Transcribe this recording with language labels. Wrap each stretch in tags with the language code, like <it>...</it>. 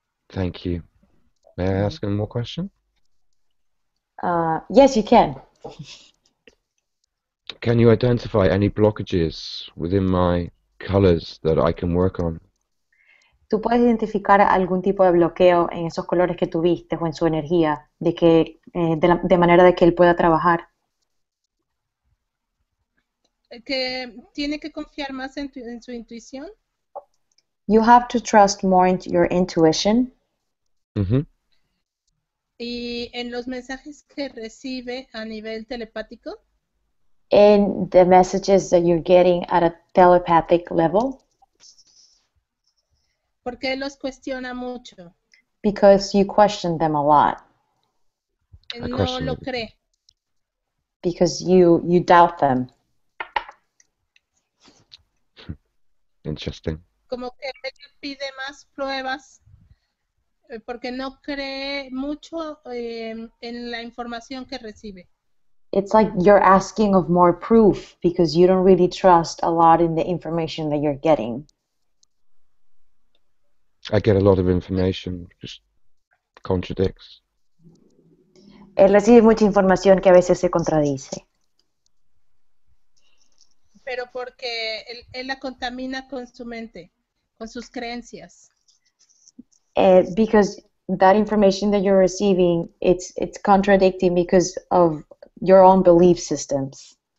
<en>Thank you. May I ask him more question? Yes, you can. Can you identify any blockages within my colors that I can work on?</en> <es>¿Tú puedes identificar algún tipo de bloqueo en esos colores que tuviste o en su energía de manera de que él pueda trabajar? Que tiene que confiar más en su intuición.</es> <en>You have to trust more in your intuition. Mm-hmm.</en> <es>¿Y en los mensajes que recibe a nivel telepático?</es> <en>In the messages that you're getting at a telepathic level.</en> <es>¿Por qué los cuestiona mucho?</es> <en>Because you question them a lot.</en> <es>No lo cree.</es> <en>Because you doubt them. Interesting.</en> <es>Como que pide más pruebas. Porque no cree mucho en la información que recibe.</es> <en>It's like you're asking of more proof because you don't really trust a lot in the information that you're getting. I get a lot of information, just contradicts.</en> <es>Él recibe mucha información que a veces se contradice. pero porque él la contamina con su mente, con sus creencias.</es> <en>Because that information that you're receiving, it's contradicting because of your own belief systems.</en>